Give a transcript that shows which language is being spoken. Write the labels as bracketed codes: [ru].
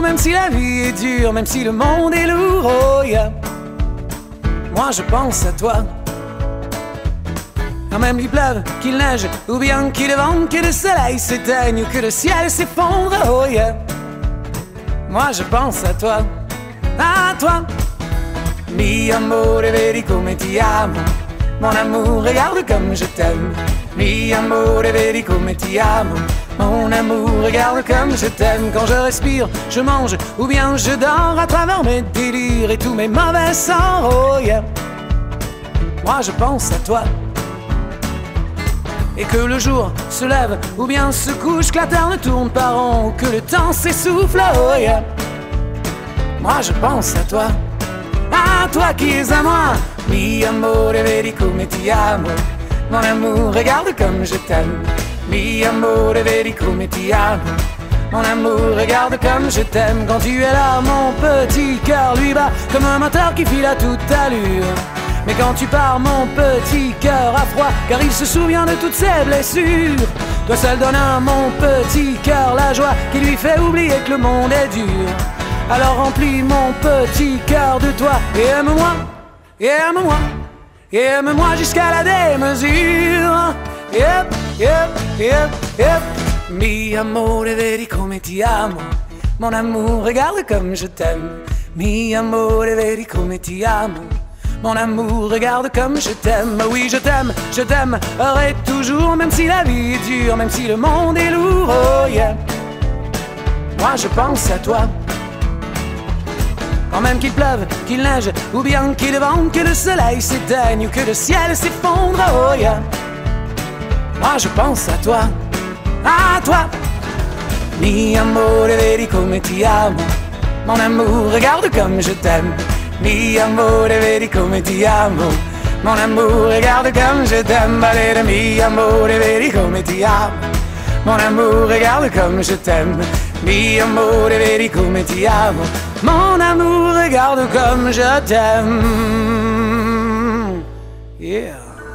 [fr] Même si la vie est dure, même si le monde est lourd. Oh yeah, moi je pense à toi. Quand même qu'il pleuve, qu'il neige, ou bien qu'il vente, que le soleil s'éteigne ou que le ciel s'effondre. Oh yeah, moi je pense à toi. À toi. [it] Mi amore, vedi come ti amo. [fr] Mon amour, regarde comme je t'aime. [it] Mi amore, vedi come ti amo. [fr] Mon amour, regarde comme je t'aime. Quand je respire, je mange, ou bien je dors, à travers mes délires et tous mes mauvais sorts. Oh yeah, moi je pense à toi. Et que le jour se lève, ou bien se couche, que la terre ne tourne pas rond, ou que le temps s'essouffle. Oh yeah, moi je pense à toi. À toi qui es à moi. [it] Mi amore, vedi come ti amo. [fr] Mon amour, regarde comme je t'aime. [it] Mi amore, vedi come ti amo. [fr] Mon amour, regarde comme je t'aime. Quand tu es là, mon petit cœur lui bat comme un moteur qui file à toute allure. Mais quand tu pars, mon petit cœur a froid, car il se souvient de toutes ses blessures. Toi seul donne à mon petit cœur la joie qui lui fait oublier que le monde est dur. Alors remplis mon petit cœur de toi et aime-moi, et aime-moi, et aime-moi jusqu'à la démesure. Yep, yep, yep, yep. [it] Mi amore, vedi come ti amo. [fr] Mon amour, regarde comme je t'aime. [it] Mi amore, vedi come ti amo. [fr] Mon amour, regarde comme je t'aime. Oui, je t'aime, arrête toujours. Même si la vie est dure, même si le monde est lourd. Oh yeah, moi je pense à toi. Quand même qu'il pleuve, qu'il neige, ou bien qu'il vente, que le soleil s'éteigne ou que le ciel s'effondre. Oh yeah, moi je pense à toi. À toi. [it] Mi amore, vedi come ti amo. [fr] Mon amour, regarde comme je t'aime. [it] Mi amore, vedi come ti amo. [fr] Mon amour, regarde comme je t'aime. [it] Valere, mi amore, vedi come ti amo. [fr] Mon amour, regarde comme je t'aime. [it] Mi amore, vedi come ti amo. [fr] Mon amour, regarde comme je t'aime. Yeah.